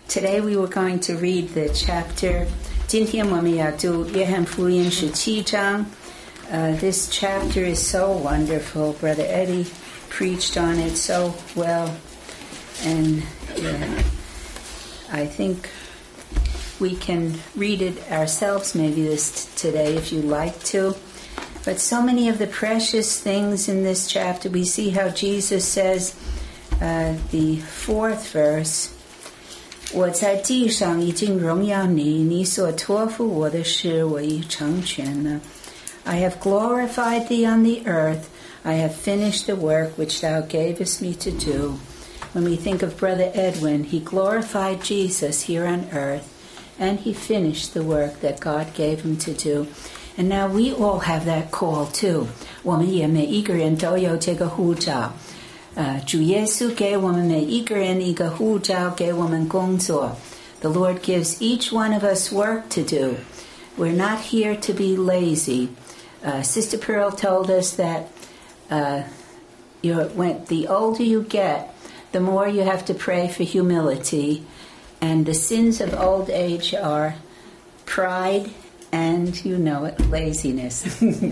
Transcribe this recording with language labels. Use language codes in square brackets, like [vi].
[en] Today we were going to read the chapter. [zh] 今天我们要读约翰福音十七章。 [en] This chapter is so wonderful. Brother Eddie preached on it so well. And I think we can read it ourselves maybe today if you'd like to. But so many of the precious things in this chapter, we see how Jesus says, the fourth verse, [zh] 我在地上已经荣耀你，你所托付我的事，我已成全了。 [en] I have glorified thee on the earth. I have finished the work which thou gavest me to do. When we think of Brother Edwin, he glorified Jesus here on earth, and he finished the work that God gave him to do. And now we all have that call too. [zh] 我们也每一个人都有这个呼召。主耶稣给我们每一个人一个呼召，给我们工作。 [en] The Lord gives each one of us work to do. We're not here to be lazy. Sister Pearl told us that the older you get, the more you have to pray for humility. And the sins of old age are pride and, you know it, laziness.